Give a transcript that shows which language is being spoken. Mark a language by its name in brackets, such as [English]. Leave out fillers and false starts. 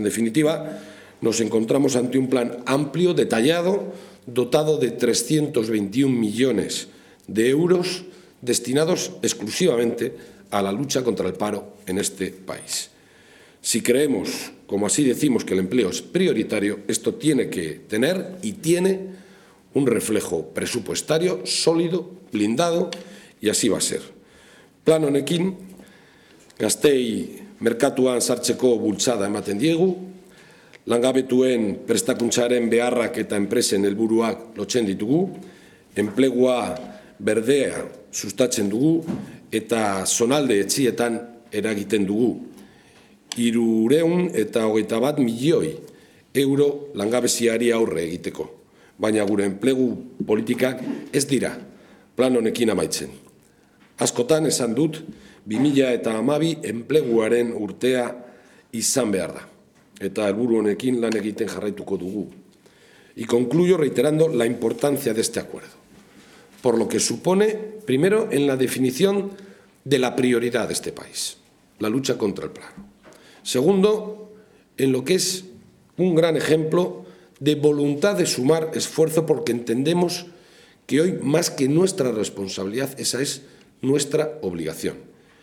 [Spanish] En definitiva, nos encontramos ante un plan amplio, detallado, dotado de 321 millones de euros destinados exclusivamente a la lucha contra el paro en este país. Si creemos, como así decimos, que el empleo es prioritario, esto tiene que tener y tiene un reflejo presupuestario sólido, blindado, y así va a ser. [Basque] Plan honekin, gaztei merkatuan sartzeko bultzada ematen diegu, langabetuen prestakuntzaren beharrak eta enpresen helburuak lotzen ditugu, enplegua berdea sustatzen dugu, eta zonalde etxietan eragiten dugu. 321 milioi euro langabeziari aurre egiteko. Baina gure enplegu politikak ez dira plan honekin amaitzen. Askotan esan dut 2012 enpleguaren urtea izan behar da. Eta helburu honekin lan egiten jarraituko dugu. [Spanish] Y concluyo reiterando la importancia de este acuerdo. Por lo que supone, primero, en la definición de la prioridad de este país, la lucha contra el paro. Segundo, en lo que es un gran ejemplo de voluntad de sumar esfuerzo, porque entendemos que hoy, más que nuestra responsabilidad, esa es nuestra obligación.